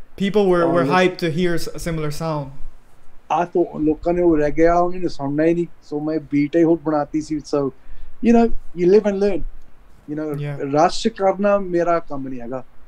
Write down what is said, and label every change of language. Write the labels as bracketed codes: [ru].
[en] People were hyped to hear a similar sound. I thought, [pa] ਲੋਕਾਂ ਨੇ ਉਹ ਰੈਗੇ ਵਾਲਾ ਉਹਨੇ ਸੁਣਨਾ ਹੀ ਨਹੀਂ. So, ਮੈਂ ਬੀਟ ਹੀ ਹੋਰ ਬਣਾਤੀ ਸੀ. [en] So, you know, you live and learn. You know, [pa] rush ਕਰਨਾ ਮੇਰਾ ਕੰਮ ਨਹੀਂ ਹੈਗਾ.